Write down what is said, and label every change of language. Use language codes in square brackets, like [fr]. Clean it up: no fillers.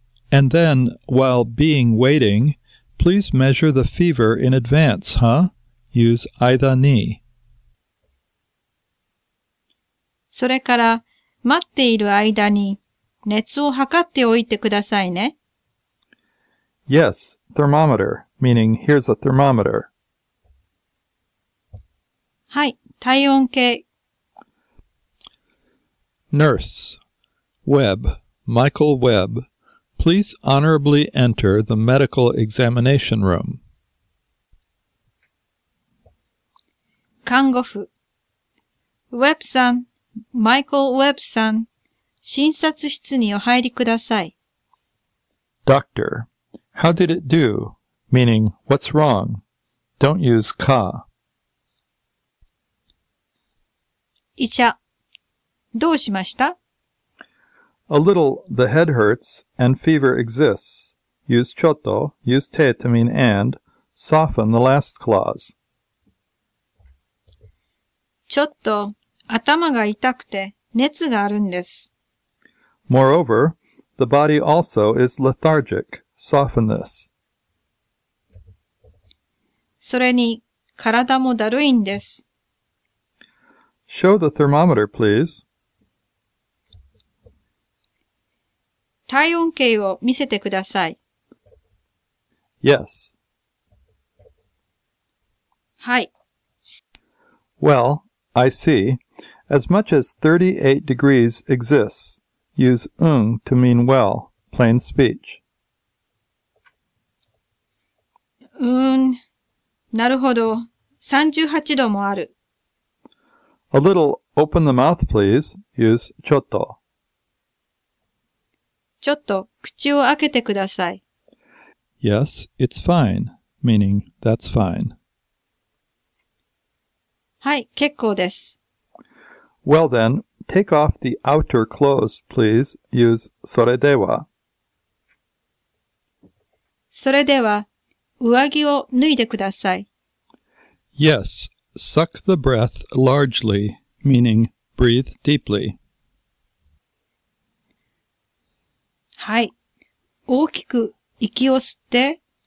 [en] And then, while being waiting, please measure the fever in advance, huh? Use 間に. [ja] それから待っている間に熱を測っておいてくださいね。 [en] Yes, thermometer, meaning here's a thermometer. [ja] はい、体温計. [en] Nurse, Webb, Michael Webb. Please honorably enter the medical examination room. [ja] 看護婦 Webb-san, Michael Webb-san, 診察室にお入りください。 [en] Doctor, how did it do? Meaning, what's wrong? Don't use か. [ja] 医者 どうしました? [en] A little, the head hurts, and fever exists. Use ちょっと, use て to mean and, soften the last clause. [ja] ちょっと頭が痛くて熱があるんです。 [en] Moreover, the body also is lethargic. Soften this. [ja] それに体もだるいんです。 [en] Show the thermometer, please. [ja] 体温計を見せてください。 [en] Yes. [ja] はい。 [en] Well, I see. As much as 38 degrees exists. Use to mean well. Plain speech. [ja] なるほど。38度もある。 [en] A little open the mouth, please. Use ちょっと. [ja] ちょっと口を開けてください。 [en] Yes, it's fine, meaning that's fine. [ja] はい、結構です。 [en] Well then, take off the outer clothes, please. Use それでは. [ja] それでは、上着を脱いでください。 [en] Yes, suck the breath largely, meaning breathe deeply. [ja] はい、大きく息を吸って。